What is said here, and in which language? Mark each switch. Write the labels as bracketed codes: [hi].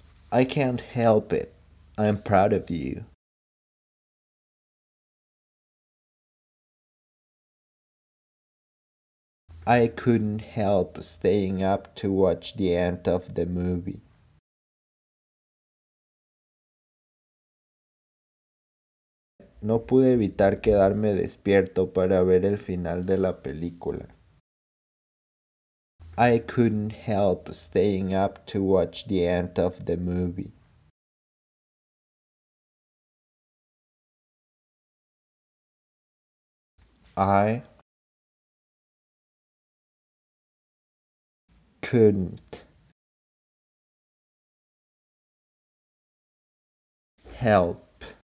[en] I can't help it. I'm proud of you. I couldn't help staying up to watch the end of the movie. [es] No pude evitar quedarme despierto para ver el final de la película. [en] I couldn't help staying up to watch the end of the movie. I couldn't help